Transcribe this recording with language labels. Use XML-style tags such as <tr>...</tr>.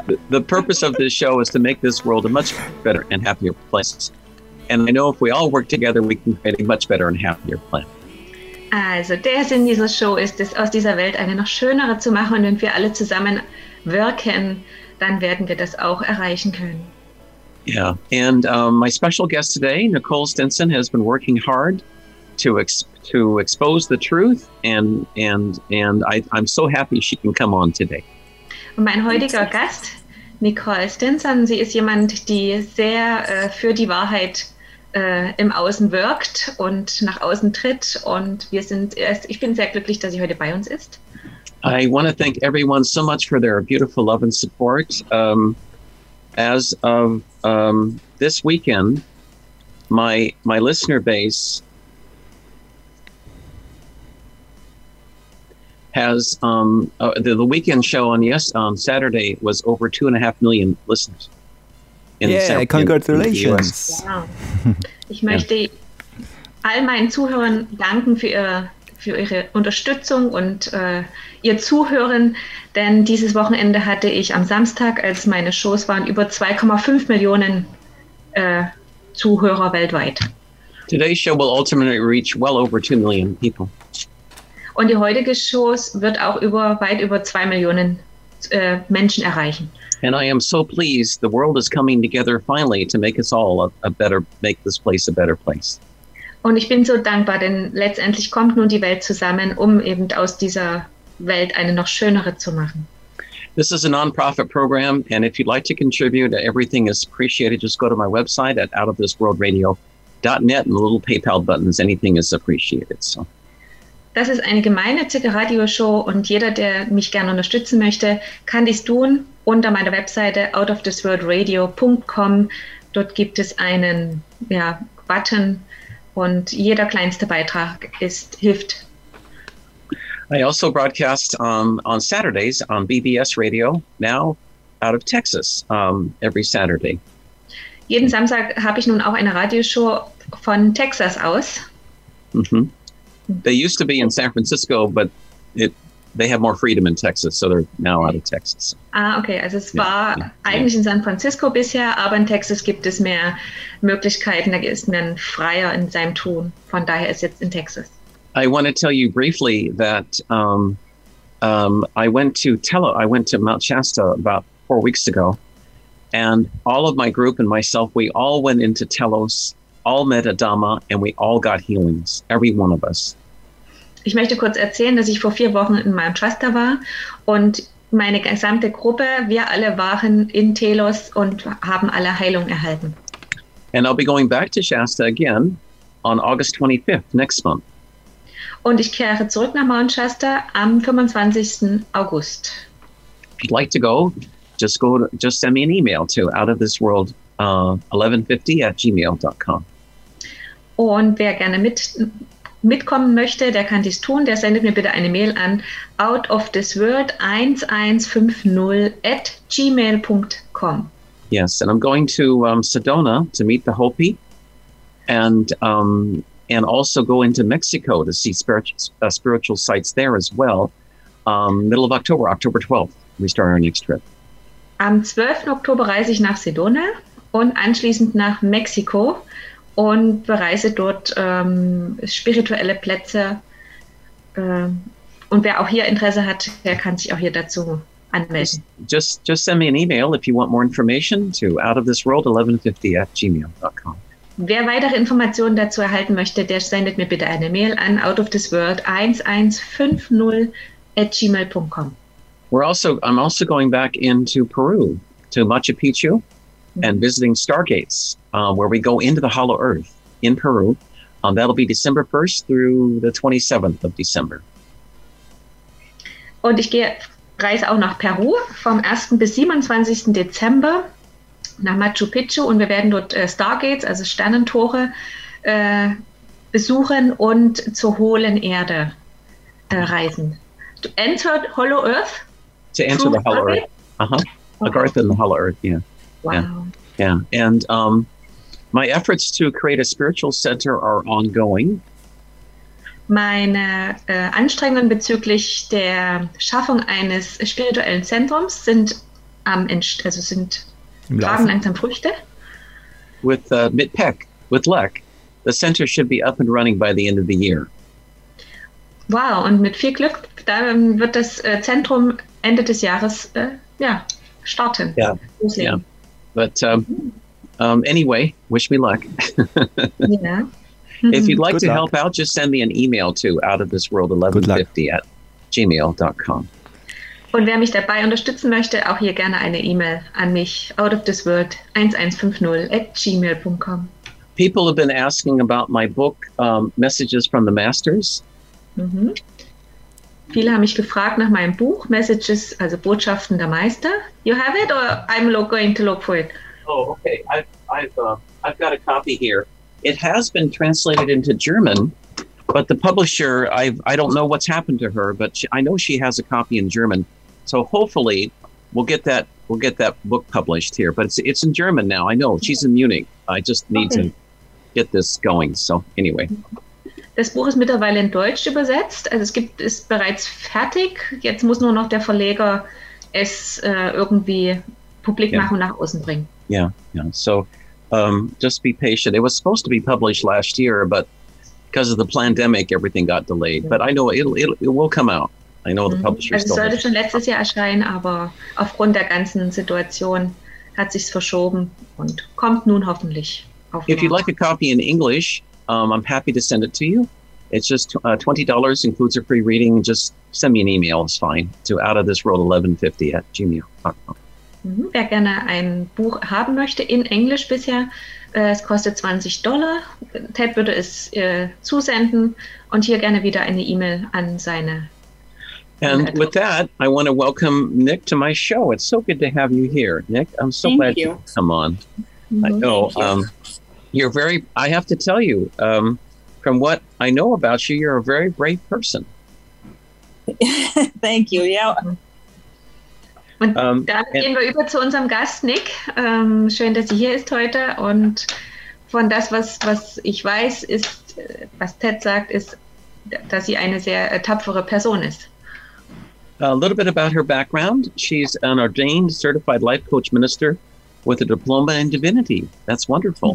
<en>The purpose of this show is to make this world a much better and happier place. And I know if we all work together, we can create a much better and happier planet.</en> <de>Also, der Sinn dieser Show ist es, aus dieser Welt eine noch schönere zu machen. Und wenn wir alle zusammen wirken, dann werden wir das auch erreichen können.</de> <en>Yeah, and my special guest today, Nicole Stinson, has been working hard to expose the truth, and I'm so happy she can come on today.</en> <de>Und mein heutiger Gast, Nicole Stinson, sie ist jemand, die sehr für die Wahrheit im Außen wirkt und nach außen tritt, und ich bin sehr glücklich, dass sie heute bei uns ist.</de> <en>I want to thank everyone so much for their beautiful love and support. As of this weekend, my listener base has the weekend show on Saturday was over 2.5 million listeners. Congratulations.</en> <de>Ich möchte all meinen Zuhörern danken für ihre Unterstützung und ihr Zuhören, denn dieses Wochenende hatte ich am Samstag, als meine Shows waren, über 2,5 Millionen Zuhörer weltweit.</de> <en>Today's show will ultimately reach well over 2 million people.</en> <de>Und die heutige Show wird auch weit über 2 Millionen Menschen erreichen.</de> <en>And I am so pleased the world is coming together finally to make us all make this place a better place.</en> <de>Und ich bin so dankbar, denn letztendlich kommt nun die Welt zusammen, um eben aus dieser Welt eine noch schönere zu machen.</de> <en>This is a non-profit program, and if you'd like to contribute, everything is appreciated. Just go to my website at outofthisworldradio.net and the little PayPal buttons, anything is appreciated. So.</en> <de>Das ist eine gemeinnützige Radioshow, und jeder, der mich gerne unterstützen möchte, kann dies tun unter meiner Webseite outofthisworldradio.com. Dort gibt es einen Button, und jeder kleinste Beitrag hilft.</de> <en>I also broadcast on Saturdays on BBS Radio, now out of Texas, every Saturday.</en> <de>Jeden Samstag habe ich nun auch eine Radioshow von Texas aus. Mm-hmm.</de> <en>They used to be in San Francisco, but they have more freedom in Texas, so they're now out of Texas. Ah, okay.</en> <de>Also es war eigentlich in San Francisco bisher, aber in Texas gibt es mehr Möglichkeiten. Da ist man freier in seinem Tun. Von daher ist jetzt in Texas.</de> <en>I want to tell you briefly that I went to Mount Shasta about 4 weeks ago, and all of my group and myself, we all went into Telos, all met a Dhamma, and we all got healings, every one of us.</en> <de>Ich möchte kurz erzählen, dass ich vor 4 Wochen in Mount Shasta war, und meine gesamte Gruppe, wir alle waren in Telos und haben alle Heilung erhalten.</de> <en>And I'll be going back to Shasta again on August 25th, next month.</en> <de>Und ich kehre zurück nach Mount Shasta am 25. August.</de> <en>If you'd like to go, just send me an email to outofthisworld1150@gmail.com.</en> <de>Und wer gerne mitkommen möchte, der kann dies tun. Der sendet mir bitte eine Mail an outofthisworld1150@gmail.com.</de> <en>Yes, and I'm going to Sedona to meet the Hopi, and also go into Mexico to see spiritual sites there as well. Middle of October, October 12th, we start our next trip.</en> <de>Am 12. Oktober reise ich nach Sedona und anschließend nach Mexiko und bereise dort spirituelle Plätze. Und wer auch hier Interesse hat, der kann sich auch hier dazu anmelden.</de> <en>Just send me an email if you want more information to outofthisworld1150@gmail.com.</en> <de>Wer weitere Informationen dazu erhalten möchte, der sendet mir bitte eine Mail an outofthisworld1150@gmail.com.</de> <en>I'm also going back into Peru to Machu Picchu. And visiting Stargates, where we go into the Hollow Earth in Peru. That'll be December 1st through the 27th of December.</en> <de>Und ich reise auch nach Peru vom 1. bis 27. Dezember nach Machu Picchu, und wir werden dort Stargates, also Sternentore, besuchen und zur hohlen Erde reisen.</de> <en>To enter the Hollow Earth? To enter the Hollow Earth. A garden in the hollow earth, yeah. Wow. Yeah. And my efforts to create a spiritual center are ongoing.</en> <de>Meine Anstrengungen bezüglich der Schaffung eines spirituellen Zentrums sind tragen langsam Früchte.</de> <en>With Mit Peck, with luck, the center should be up and running by the end of the year.</en> <de>Wow, und mit viel Glück, da wird das Zentrum Ende des Jahres starten. Ja.</de> <en>Yeah. Yeah. But anyway, wish me luck. Yeah. If you'd like to help out, just send me an email to outofthisworld1150@gmail.com.</en> <de>Und wer mich dabei unterstützen möchte, auch hier gerne eine E-Mail an mich, outofthisworld1150@gmail.com.</de> <en>People have been asking about my book, Messages from the Masters. Mm-hmm.</en> <de>Viele haben mich gefragt nach meinem Buch, Messages, also Botschaften der Meister.</de> <en>You have it or I'm going to look for it? Oh, okay. I've got a copy here. It has been translated into German, but the publisher, I don't know what's happened to her, but I know she has a copy in German. So hopefully we'll get that book published here, but it's in German now. I know she's in Munich. I just need to get this going. So anyway.</en> <de>Das Buch ist mittlerweile in Deutsch übersetzt. Also ist bereits fertig. Jetzt muss nur noch der Verleger es irgendwie publik machen und nach außen bringen.</de> <en>Yeah. Yeah. So, just be patient. It was supposed to be published last year, but because of the pandemic, everything got delayed. But I know it will come out. I know the publisher.</en> <de>Also sollte schon letztes Jahr erscheinen, aber aufgrund der ganzen Situation hat sich's verschoben und kommt nun hoffentlich auf.</de> <en>If you'd like a copy in English, I'm happy to send it to you. It's just $20, includes a free reading. Just send me an email, it's fine. To outofthisworld1150@gmail.com.</en> <de>Wer gerne ein Buch haben möchte in Englisch bisher, es kostet $20. Ted würde es zusenden und hier gerne wieder eine E-Mail an seine.</de> <en>And with that, I want to welcome Nick to my show. It's so good to have you here, Nick. I'm so Thank glad you to come on. Mm-hmm. I know you're very. I have to tell you, from what I know about you, you're a very brave person. Thank you. Yeah.</en> <de>Und damit gehen wir über zu unserem Gast, Nick. Schön, dass sie hier ist heute. Und von das, was ich weiß, ist, was Ted sagt, ist, dass sie eine sehr tapfere Person ist.</de> <en>A little bit about her background. She's an ordained, certified life coach minister with a diploma in divinity. That's wonderful.</en>